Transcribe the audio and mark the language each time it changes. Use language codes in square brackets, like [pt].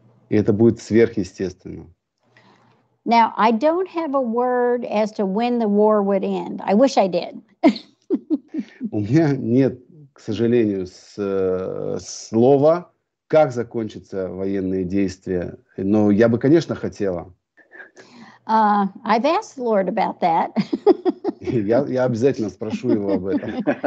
[ru] И это будет сверхъестественно. [en] Now, I don't have a word as to when the war would end. I wish I did. [ru] У меня нет, к сожалению, слова, как закончатся военные действия. Но я бы, конечно, хотела. [en] I've asked the Lord about that. [ru] Я обязательно спрошу его об этом.